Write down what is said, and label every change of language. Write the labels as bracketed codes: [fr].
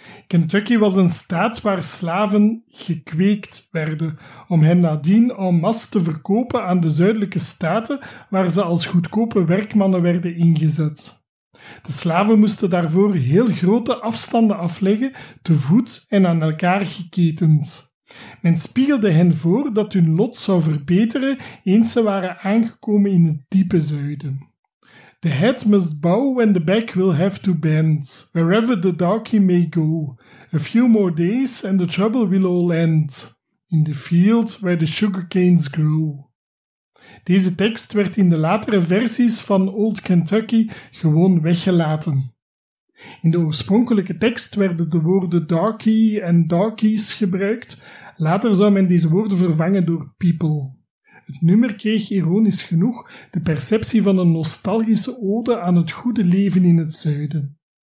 [nl] Kentucky was een staat waar slaven gekweekt werden, om hen nadien en masse te verkopen aan de zuidelijke staten, waar ze als goedkope werkmannen werden ingezet. De slaven moesten daarvoor heel grote afstanden afleggen, te voet en aan elkaar geketend. Men spiegelde hen voor dat hun lot zou verbeteren eens ze waren aangekomen in het diepe zuiden. [en] The head must bow when the back will have to bend, wherever the donkey may go. A few more days and the trouble will all end, in the field where the sugar canes grow. [nl] Deze tekst werd in de latere versies van Old Kentucky gewoon weggelaten. In de oorspronkelijke tekst werden de woorden donkey en donkeys gebruikt. Later zou men deze woorden vervangen door people. Het nummer kreeg ironisch genoeg de perceptie van een nostalgische ode aan het goede leven in het zuiden.